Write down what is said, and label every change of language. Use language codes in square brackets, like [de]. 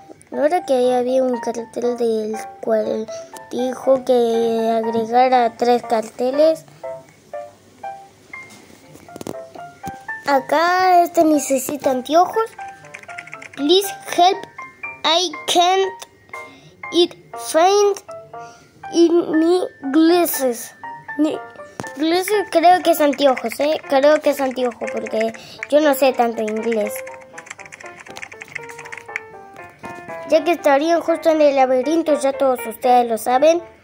[es] ¿No era que ahí había un cartel del cual dijo que agregara tres carteles? Acá este necesita anteojos. [en] Please help. I can't it find in my glasses. [es] Incluso creo que es anteojos, ¿eh? Creo que es anteojos porque yo no sé tanto inglés. Ya que estarían justo en el laberinto, ya todos ustedes lo saben.